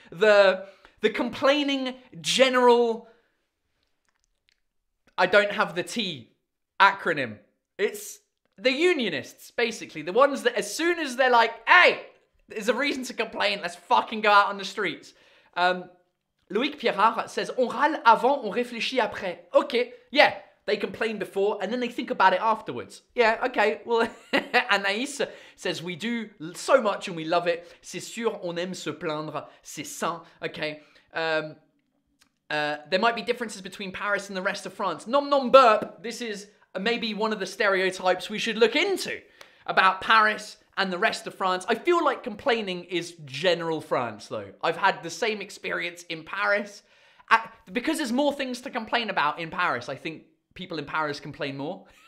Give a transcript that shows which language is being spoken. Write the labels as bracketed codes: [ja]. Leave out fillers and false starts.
[en] The complaining general... I don't have the T acronym. It's... the unionists, basically, the ones that as soon as they're like, hey, there's a reason to complain, let's fucking go out on the streets. Loïc Pierrard says, [fr] on râle avant, on réfléchit après. [en] Okay, yeah, they complain before and then they think about it afterwards. Yeah, okay, well, Anaïs says, we do so much and we love it. [fr] C'est sûr, on aime se plaindre, c'est sain. [en] Okay, there might be differences between Paris and the rest of France. Nom nom burp, this is... maybe one of the stereotypes we should look into about Paris and the rest of France. I feel like complaining is general France, though. I've had the same experience in Paris. Because there's more things to complain about in Paris, I think people in Paris complain more.